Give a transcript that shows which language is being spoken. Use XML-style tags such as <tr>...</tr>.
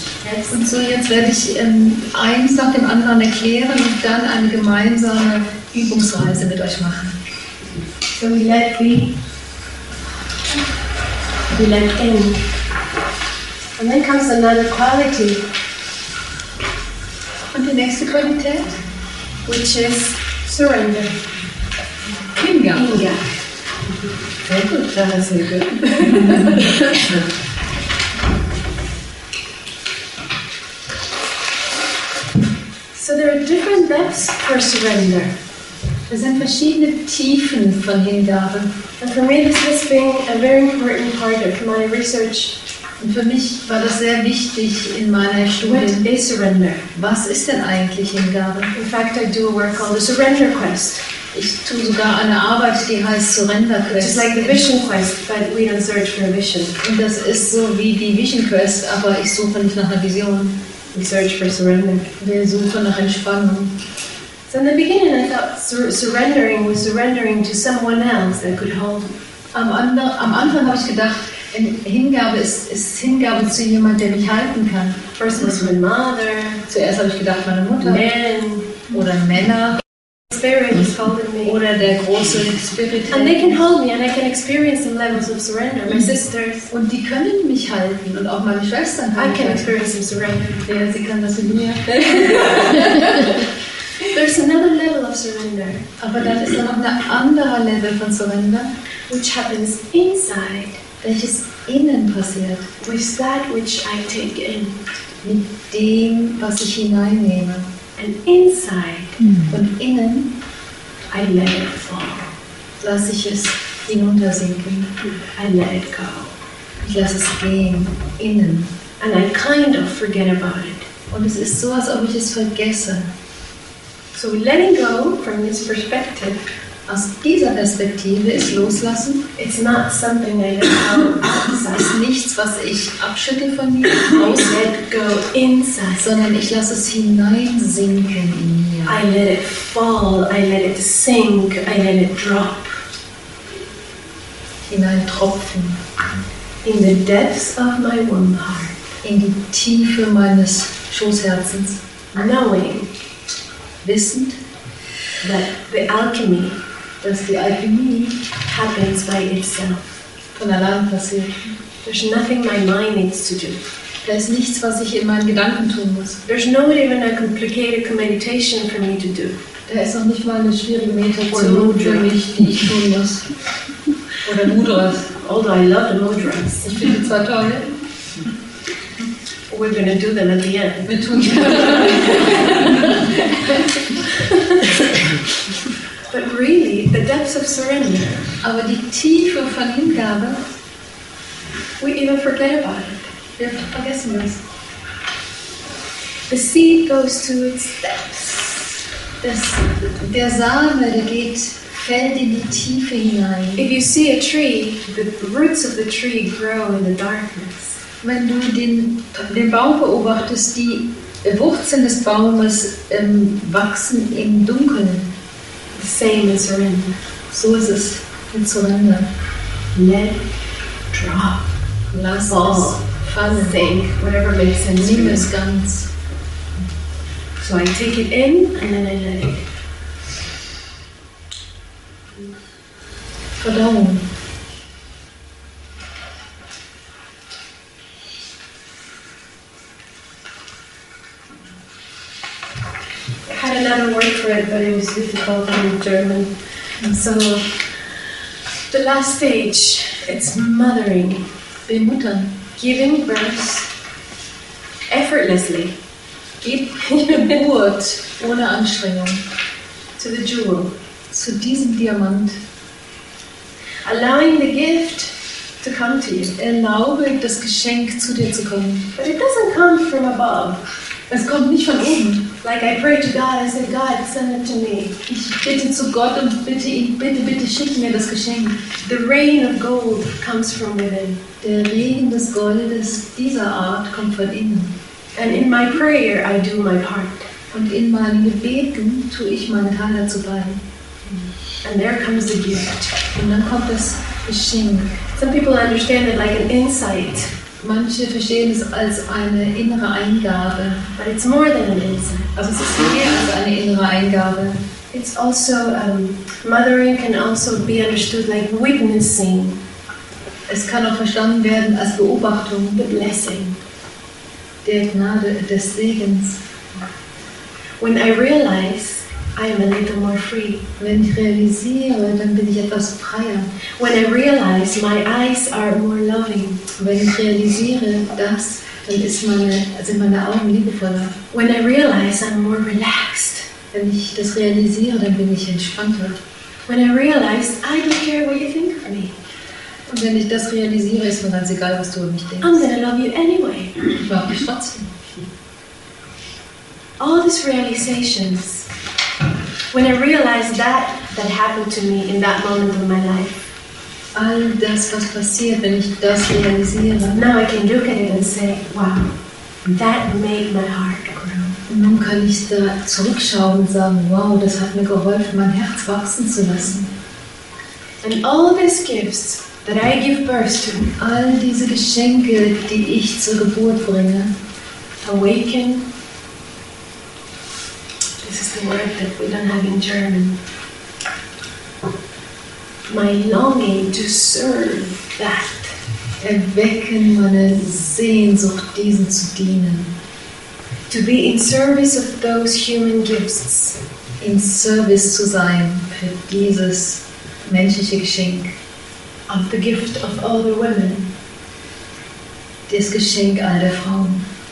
<en>Yes.</en> <de>Und so jetzt werde ich eins nach dem anderen erklären und dann eine gemeinsame Übungsreise mit euch machen.</de> <en>So we let in. And then comes another quality.</en> <de>Und die nächste Qualität,</de> <en>which is surrender.</en> <de>Hingabe. Sehr gut, das ist sehr gut.</de> <en>So there are different depths for surrender.</en> <de>Es sind verschiedene Tiefen von Hingabe.</de> <en>And for me this has been a very important part of my research.</en> <de>Und für mich war das sehr wichtig in meiner Studie.</de> <en>What is surrender?</en> <de>Was ist denn eigentlich Hingabe?</de> <en>In fact, I do a work called the Surrender Quest.</en> <de>Ich tue sogar eine Arbeit, die heißt Surrender Quest.</de> <en>It's like the Vision Quest, but we don't search for a vision.</en> <de>Und das ist so wie die Vision Quest, aber ich suche nicht nach einer Vision.</de> <en>We search for surrender.</en> <de>Wir suchen nach Entspannung.</de> <en>So in the beginning I thought surrendering was surrendering to someone else that could hold.</en> <de>Am Anfang habe ich gedacht, Hingabe ist Hingabe zu jemand, der mich halten kann.</de> <en>First was my mother.</en> <de>Zuerst habe ich gedacht, meine Mutter.</de> <en>Men.</en> <de>Oder Männer.</de> <en>Spirit is holding me.</en> <de>Oder der große Spirit.</de> <en>And they can hold me and I can experience some levels of surrender. My sisters.</en> <de>Und die können mich halten und auch meine Schwestern halten.</de> <en>I can experience some surrender.</en> <de>Ja, sie kann das in mir.</de> <en>There's another level of surrender.</en> <de>Aber dann ist dann noch ein anderer Level von Surrender.</de> <en>Which happens inside.</en> <de>Welches innen passiert.</de> <en>With that which I take in.</en> <de>Mit dem, was ich hineinnehme.</de> <en>And inside,</en> <de>von innen,</de> <en>I let it fall.</en> <de>Lass ich es hinuntersinken.</de> <en>I let it go.</en> <de>Ich lasse es gehen, innen.</de> <en>And I kind of forget about it.</en> <de>Und es ist so, als ob ich es vergesse.</de> <en>So letting go from this perspective,</en> <de>aus dieser Perspektive ist loslassen.</de> <en>It's not something I let go.</en> <de>Das heißt nichts, was ich abschütte von mir. Aus</de> <en>let go inside.</en> <de>Sondern ich lasse es hineinsinken in mir.</de> <en>I let it fall. I let it sink. I let it drop.</en> <de>Hineintropfen.</de> <en>In the depths of my womb heart.</en> <de>In die Tiefe meines Schoßherzens.</de> <en>Knowing.</en> <de>Wissend.</de> <en>That the alchemy.</en> <de>Dass die Alchemie</de> <en>happens by itself.</en> <de>Von allein passiert.</de> <en>There's nothing my mind needs to do.</en> <de>Da ist nichts, was ich in meinen Gedanken tun muss.</de> <en>There's not even a complicated meditation for me to do.</en> <de>Da ist noch nicht mal eine schwierige Meditation für mich, die ich tun muss. Oder Mudras.</de> <en>Although I love the Mudras.</en> <de>Ich finde sie zwar toll.</de> <en>We're going to do them at the end.</en> <de>Wir tun sie.</de> <en>But really, the depths of surrender.</en> <de>Aber die Tiefe von Hingabe.</de> <en>We even forget about it.</en> <de>Wir vergessen es.</de> <en>The seed goes to its depths.</en> <de>Der Same, der geht, fällt in die Tiefe hinein.</de> <en>If you see a tree, the roots of the tree grow in the darkness.</en> <de>Wenn du den Baum beobachtest, die Wurzeln des Baumes wachsen im Dunkeln.</de> <en>Same as surrender.</en> <de>So ist es mit Surrender.</de> <en>Let it drop.</en> <de>Lass es fallen.</de> <en>Think, whatever makes sense.</en> <de>Nimm es ganz.</de> <en>So I take it in and then I let it.</en> <de>Verdauung.</de> <en>Another word for it, but it was difficult in German. And so, the last stage, it's mothering.</en> <de>Bemuttern.</de> <en>Giving birth effortlessly.</en> <de>Geburt ohne Anstrengung.</de> <en>To the jewel.</en> <de>Zu diesem Diamant.</de> <en>Allowing the gift to come to you.</en> <de>Erlaube, das Geschenk zu dir zu kommen.</de> <en>But it doesn't come from above.</en> <de>Es kommt nicht von oben.</de> <en>Like I pray to God, I say, God, send it to me.</en> <de>Ich bitte zu Gott und bitte ihn, bitte, bitte schick mir das Geschenk.</de> <en>The rain of gold comes from within.</en> <de>Der Regen des Goldes dieser Art kommt von innen.</de> <en>And in my prayer, I do my part.</en> <de>Und in meinen Gebeten tue ich meinen Teil dazu bei.</de> <en>And there comes the gift.</en> <de>Und dann kommt das Geschenk.</de> <en>Some people understand it like an insight.</en> <de>Manche verstehen es als eine innere Eingabe.</de> <en>But it's more than an insight.</en> <de>Also es ist mehr als eine innere Eingabe.</de> <en>It's also, mothering can also be understood like witnessing.</en> <de>Es kann auch verstanden werden als Beobachtung.</de> <en>The blessing.</en> <de>der Gnade des Segens.</de> <en>When I realize I'm a little more free.</en> <de>Wenn ich realisiere, dann bin ich etwas freier.</de> <en>When I realize my eyes are more loving.</en> <de>Wenn ich realisiere, dass, dann ist meine, sind meine Augen liebevoller.</de> <en>When I realize I'm more relaxed.</en> <de>Wenn ich das realisiere, dann bin ich entspannter.</de> <en>When I realize I don't care what you think of me.</en> <de>Und wenn ich das realisiere, ist mir ganz egal, was du über mich denkst.</de> <en>I'm gonna love you anyway.</en> <de>Ich mag dich trotzdem.</de> <en>All these realizations. When I realized that happened to me in that moment of my life.</en> <de>All das, was passiert, wenn ich das realisiere.</de> <en>Now I can look at it and say, wow, that made my heart grow.</en> <de>Nun kann ich da zurückschauen und sagen, wow, das hat mir geholfen, mein Herz wachsen zu lassen.</de> <en>And all these gifts that I give birth to.</en> <de>All diese Geschenke, die ich zur Geburt bringe.</de> <en>Awaken. This is the word that we don't have in German. My longing to serve that.</en> <de>Erwecken meine Sehnsucht, diesen zu dienen.</de> <en>To be in service of those human gifts.</en> <de>In Service zu sein für dieses menschliche Geschenk.</de> <en>Of the gift of all the women.</en> <de>Das Geschenk all der Frauen.</de>